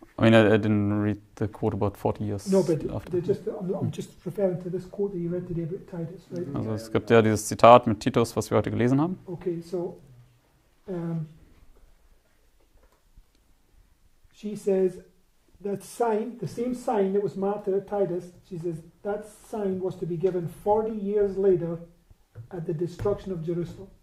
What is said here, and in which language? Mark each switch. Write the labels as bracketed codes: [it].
[en] I mean, I didn't read the quote about 40 years. No, but I'm just referring to this quote that he read today about Titus, right? [de] Also es gibt ja dieses Zitat mit Titus, was wir heute gelesen haben. [en] Okay, so she says the same sign that was marked at Titus. She says that sign was to be given 40 years later at the destruction of Jerusalem.